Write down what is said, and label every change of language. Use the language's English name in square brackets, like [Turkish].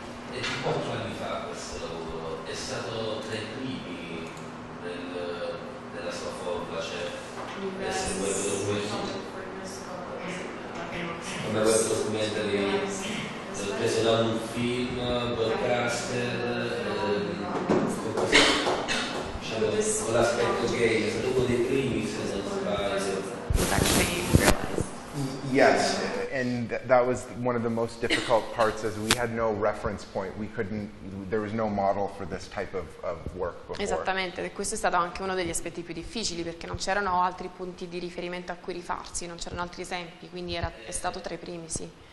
[Italian] E di 4 anni fa questo lavoro è stato tra i primi della sua formula, cioè essere questo documento lì, preso da un film, broadcaster, con l'aspetto gay, è stato uno dei primi, se non sbaglio. [English] Yes, and that was one of the most difficult parts, as we had no reference point. We couldn't. There was no model for this type of work before. [Italian] Esattamente, questo è stato anche uno degli aspetti più difficili, perché non c'erano altri punti di riferimento a cui rifarsi, non c'erano altri esempi, quindi era è stato tra i primi, sì.